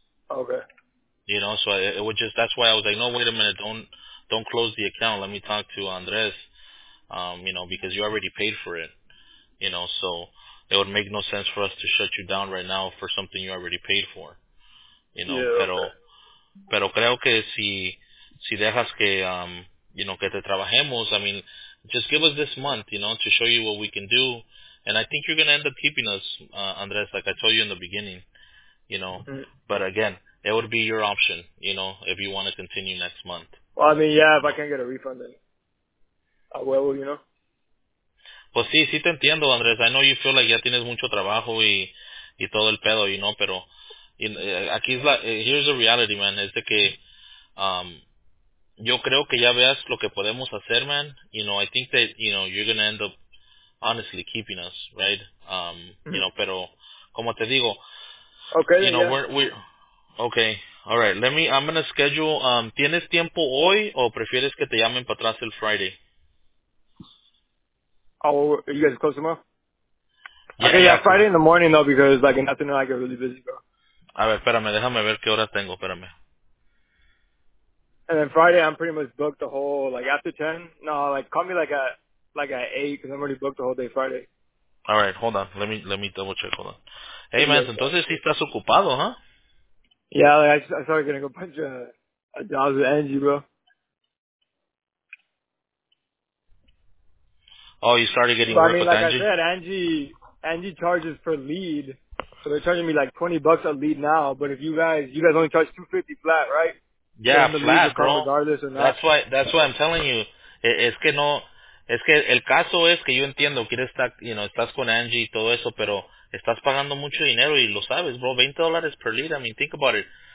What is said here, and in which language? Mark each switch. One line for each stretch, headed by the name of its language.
English: Okay. You know, so it would just. That's why I was like, no, wait a minute, don't close the account. Let me talk to Andres. You know, because you already paid for it. You know, so it would make no sense for us to shut you down right now for something you already paid for. You know, yeah,
Spanish: pero
English: okay.
Spanish: Pero creo que si dejas que
English: you know,
Spanish: que te trabajemos.
English: I mean, just give us this month, you know, to show you what we can do. And I think you're going to end up keeping us, Andres, like I told you in the beginning, you know. Mm-hmm. But again, it would be your option, you know, if you want to continue next month. Well, I mean, yeah, if I can't get a refund, then I will, you know.
Spanish: Pues sí, sí te entiendo, Andres.
English: I know you feel like
Spanish: ya tienes mucho trabajo y todo el pedo,
English: you know,
Spanish: pero aquí es la,
English: here's the reality, man,
Spanish: es de que, yo creo que ya veas lo que podemos hacer, man.
English: You know, I think that, you know, you're going to end up honestly keeping us, right? Mm-hmm.
Spanish: You know, pero como te digo,
English: okay, you know, yeah. we're okay. All right, I'm going to schedule,
Spanish: ¿tienes tiempo hoy o prefieres que te llamen para atrás el Friday?
English: Oh, are you guys close tomorrow? Yeah, okay, yeah, Friday in the morning, though, because, like, in afternoon, I get really busy, bro.
Spanish: A ver, espérame, déjame ver qué hora tengo, espérame.
English: And then Friday, I'm pretty much booked the whole, like, after 10. No, like, call me, like at 8, because I'm already booked the whole day Friday. All right, hold on. Let me double check. Hold on. Hey, man, yeah,
Spanish: entonces sí estás ocupado, huh?
English: Yeah, like, I started getting a bunch of jobs with Angie, bro. Oh, you started getting work with Angie? I mean, like Angie? I said, Angie charges per lead. So they're charging me, like, $20 a lead now. But if you guys only charge $250 flat, right? Yeah, flat, bro. Regardless or not. That's why I'm telling you.
Spanish: Es que no, es que el caso es que yo entiendo, quieres estar,
English: you know,
Spanish: estás con Angie y todo eso, pero estás pagando mucho dinero y lo sabes, bro.
English: $20 per lead. I mean, think about it.